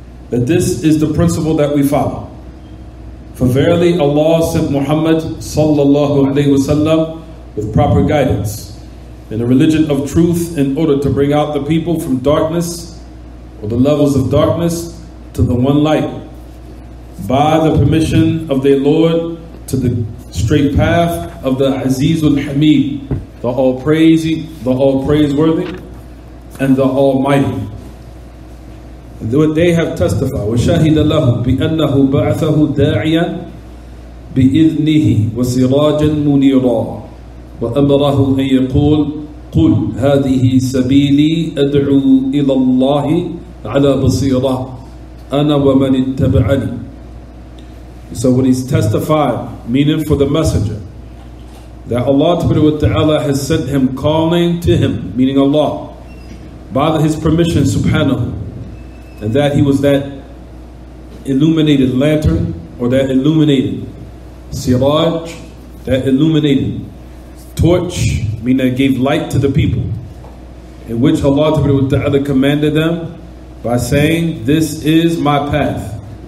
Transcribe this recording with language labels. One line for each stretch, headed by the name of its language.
English: That this is the principle that we follow. For verily Allah sent Muhammad sallallahu alayhi wasallam with proper guidance in a religion of truth in order to bring out the people from darkness or the levels of darkness to the one light by the permission of their Lord to the straight path of the Aziz al-Hamid, the all praising, the all praiseworthy, and the Almighty. And what they have testified,
Arabic: وَشَهِدَ لَهُ بِأَنَّهُ بَعْثَهُ دَاعِيًا بِإِذْنِهِ وَسِرَاجًا مُنِيرًا وَأَمَرَهُ أَن يَقُولَ قُلْ هَذِهِ سَبِيلِي أَدْعُو إِلَى اللَّهِ عَلَى بَصِيرًا أَنَا وَمَنِ اتَّبَعَنِي.
English: So when he's testified, meaning for the messenger, that Allah Ta'ala has sent him calling to him, meaning Allah, by his permission, subhanahu, and that he was that illuminated lantern, or that illuminated siraj, that illuminated torch, meaning that gave light to the people, in which Allah Ta'ala commanded them by saying, this is my path.